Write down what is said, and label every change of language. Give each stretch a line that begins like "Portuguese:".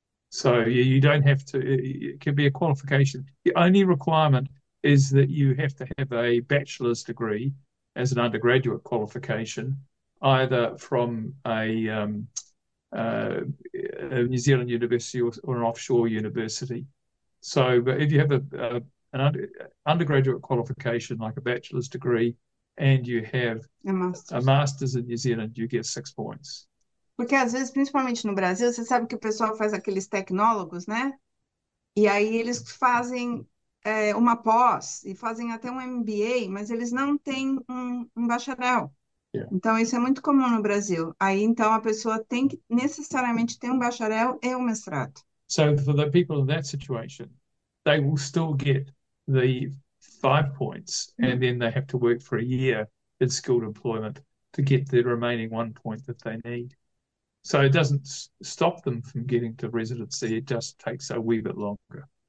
English: So you don't have to, it can be a qualification. The only requirement is that you have to have a bachelor's degree as an undergraduate qualification, either from a New Zealand university or an offshore university. So, but if you have an undergraduate qualification, like a bachelor's degree, and you have
Portuguese: É
English: a master's. master's in New Zealand, you get 6 points.
Portuguese: Porque às vezes, principalmente no Brasil, você sabe que o pessoal faz aqueles tecnólogos, né? E aí eles fazem uma pós e fazem até um MBA, mas eles não têm um bacharel. Então, isso é muito comum no Brasil. Aí, então, a pessoa tem que necessariamente ter um bacharel e um mestrado.
English: So, for the people in that situation, they will still get the 5 points, and then they have to work for a year in skilled employment to get the remaining 1 point that they need. So, it doesn't stop them from getting to residency, it just takes a wee bit longer.